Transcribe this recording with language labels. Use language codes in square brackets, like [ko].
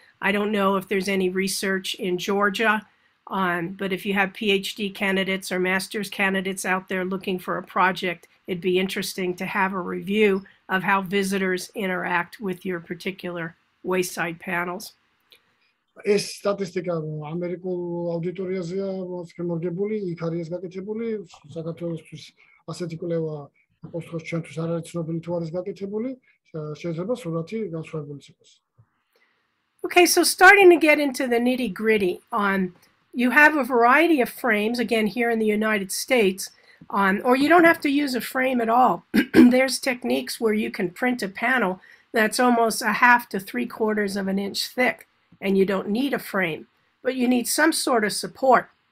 [en] I don't know if there's any research in Georgia, but if you have PhD candidates or master's candidates out there looking for a project, it'd be interesting to have a review of how visitors interact with your particular wayside panels. [ka] ეს სტატისტიკა ამერიკულ აუდიტორიაზეა შემოგებული, იქ არის გაკეთებული, საქართველოსთვის ასეთი კვლევა უცხოს ჩვენთვის არ არის ცნობილი თუ არის გაკეთებული, შეიძლება სურათი განსხვავებული იყოს. [en] Okay, so starting to get into the nitty-gritty on you have a variety of frames, again, here in the United States, or you don't have to use a frame at all. There's techniques where you can print a panel that's almost a half to three quarters of an inch thick, and you don't need a frame, but you need some sort of support.